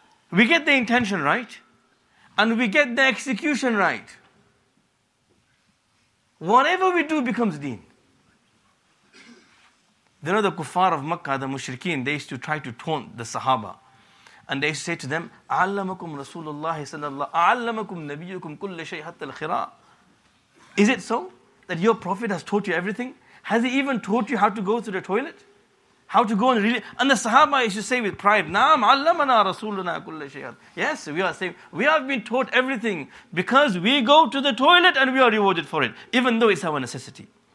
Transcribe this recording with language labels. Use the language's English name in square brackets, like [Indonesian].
[English] We get the intention right, and we get the execution right. Whatever we do becomes deen. You know, the kuffar of Makkah, the mushrikeen, they used to try to taunt the sahaba. And they used to say to them, [Arabic] أَعَلَّمَكُمْ رَسُولُ اللَّهِ صَلَى اللَّهِ أَعَلَّمَكُمْ نَبِيُّكُمْ كُلَّ شَيْءٍ حَتَّى الْخِرَاءِ. [English] Is it so that your prophet has taught you everything? Has he even taught you how to go to the toilet? How to go and really... And the sahaba used to say with pride, [Arabic] نَعَمْ عَلَّمَنَا رَسُولُنَا كُلَّ شَيْءٍ. [English] Yes, we are saying, we have been taught everything because we go to the toilet and we are rewarded for it, even though it's our necessity.